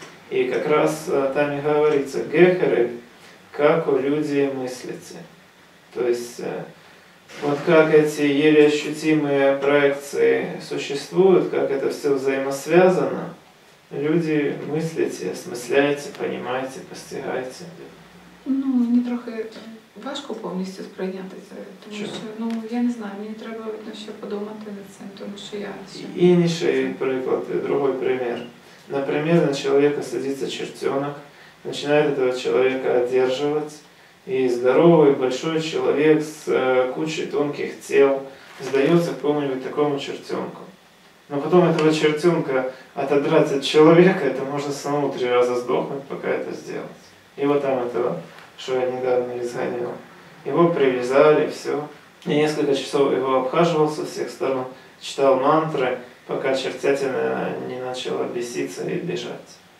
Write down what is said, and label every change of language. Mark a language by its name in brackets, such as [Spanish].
[Russian] И как раз там и говорится, гехеры, как у людей мыслите. То есть, вот как эти еле ощутимые проекции существуют, как это все взаимосвязано, люди мыслите, осмысляйте, понимаете, постигайте. [Ukrainian] Ну, мне трохи важко повністю сприйняти це, тому чого? Що, ну, я не знаю, мені треба видно ще подумати над цим, тому що я... Інший приклад, другий пример. Наприклад, на чоловіка садиться чертенок, починає цього чоловіка одержувати, [Russian] и здоровый, большой человек с кучей тонких тел сдается кому-нибудь такому чертенку. Но потом этого чертенка отодрать от человека, это можно самому 3 раза сдохнуть, пока это сделать. И вот там этого, что я недавно изгонял, его привязали, все. И несколько часов его обхаживал со всех сторон, читал мантры, пока чертятина не начала беситься и бежать.